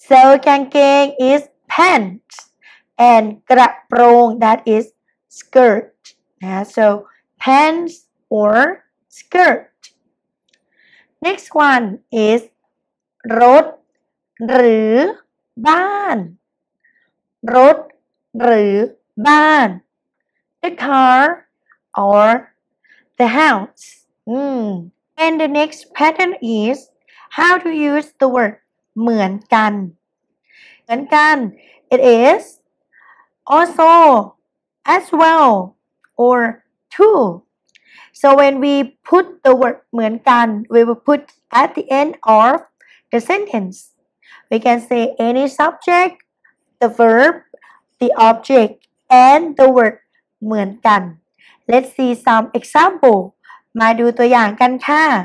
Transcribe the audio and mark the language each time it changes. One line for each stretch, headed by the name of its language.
English: So, gangeng is pants, and graprong that is skirt. Yeah, so, pants or skirt. Next one is
Thai: รถหรือบ้านรถหรือบ้าน
English: the car or the house. And the next pattern is how to use the word.
Thai: เหมือนกันเหมือนกัน
English: it is also as well or too so when we put the word เหมือนกัน we will put at the end of the sentence we can say any subject the verb the object and the word เหมือนกัน let's see some example
Thai: มาดูตัวอย่างกันค่ะ